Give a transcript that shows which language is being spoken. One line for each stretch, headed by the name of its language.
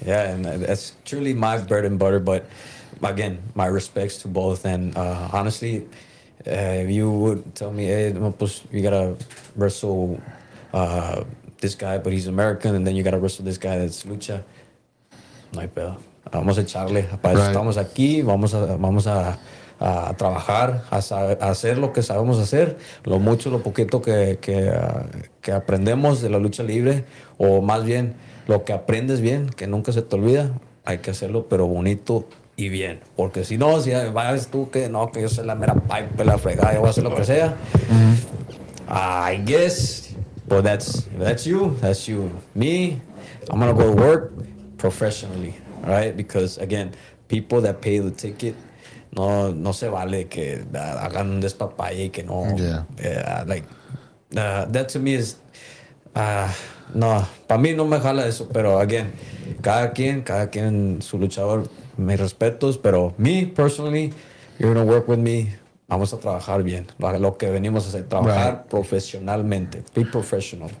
English: Yeah, and that's truly my bread and butter. But again, my respects to both. And honestly, if you would tell me, hey, you gotta wrestle this guy, but he's American, and then you gotta wrestle this guy that's lucha,
Spanish: no hay pedo. Vamos a echarle. Para eso estamos aquí. Vamos a trabajar, a hacer lo que sabemos hacer, lo mucho, lo poquito que aprendemos de la lucha libre, o más bien, lo que aprendes bien, que nunca se te olvida, hay que hacerlo, pero bonito y bien. Porque si no, si vas tú que no, que yo soy la mera pipe, la fregada, yo voy a hacer lo que sea.
English: I guess, but that's you. Me, I'm gonna go to work professionally, right? Because, again, people that pay the ticket,
Spanish: No se vale que hagan un despapalle y que no.
English: That to me is,
Spanish: no, para mí no me jala eso, pero
English: again,
Spanish: cada quien su luchador, mis respetos, pero me
English: personally, you're gonna work with me,
Spanish: vamos a trabajar bien, lo que venimos a hacer, trabajar profesionalmente,
English: be professional.